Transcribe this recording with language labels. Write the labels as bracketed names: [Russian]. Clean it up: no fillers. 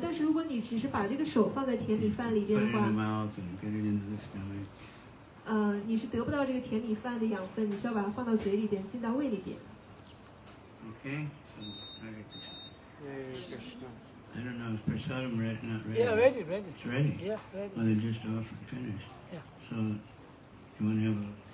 [Chinese] 但是如果你只是把这个手放在甜米饭里边的话。 [English] Put it in the mouth and get it into the stomach. [Chinese] 你是得不到这个甜米饭的养分，你需要把它放到嘴里边，进到胃里边。 [English] Okay, so I like this. I don't know, is prasadam ready, not ready? Yeah, ready. It's ready? Yeah, ready. Well, they just offered, finished. Yeah. So, you want to have a... Huh?